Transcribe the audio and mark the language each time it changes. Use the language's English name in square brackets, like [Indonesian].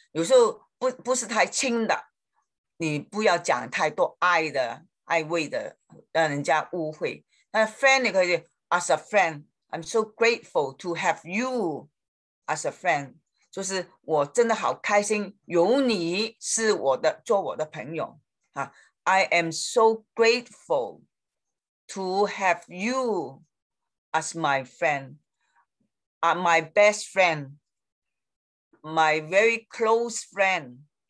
[Chinese] 有时候不是太轻的，你不要讲太多爱的爱味的，让人家误会。但 [English] friend [Chinese] 你可以 [English] as a friend, I'm so grateful to have you as a friend. [Chinese] 就是我真的好开心有你是我的做我的朋友哈。 [English] I am so grateful to have you as my friend, my best friend, my very close friend.